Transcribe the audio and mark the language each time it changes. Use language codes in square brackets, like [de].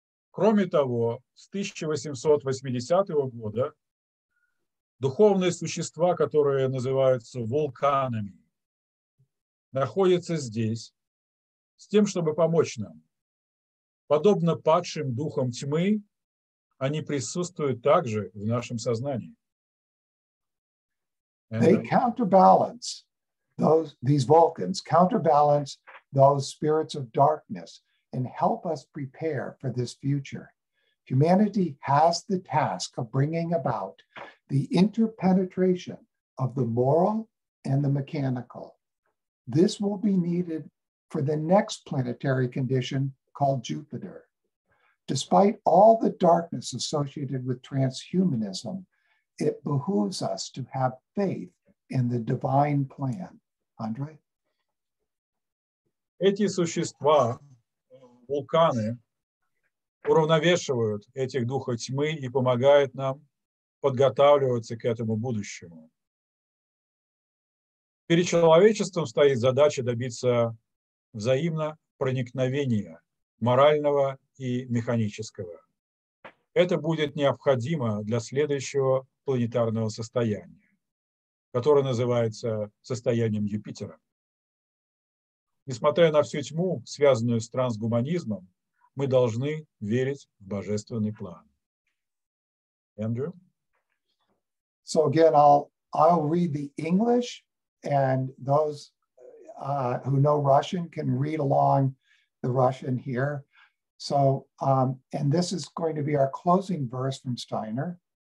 [ru] Кроме того, с 1880 года духовные существа, которые называются вулканами, находятся здесь с тем, чтобы помочь нам. Подобно падшим духам тьмы, они присутствуют также в нашем сознании. [en] They counterbalance these Vulcans, counterbalance those spirits of darkness and help us prepare for this future. Humanity has the task of bringing about the interpenetration of the moral and the mechanical. This will be needed for the next planetary condition called Jupiter. Despite all the darkness associated with transhumanism, it behooves us to have faith in the divine plan. Andre? [ru] Эти существа, вулканы, уравновешивают этих духов тьмы и помогают нам подготавливаться к этому будущему. Перед человечеством стоит задача добиться взаимного проникновения, морального и механического. Это будет необходимо для следующего планетарного состояния, которое называется состоянием Юпитера. Несмотря на всю тьму, связанную с трансгуманизмом, мы должны верить в божественный план. [en] Andrew? So again, I'll read the English, and those who know Russian can read along the Russian here. So, and this is going to be our closing verse from Steiner.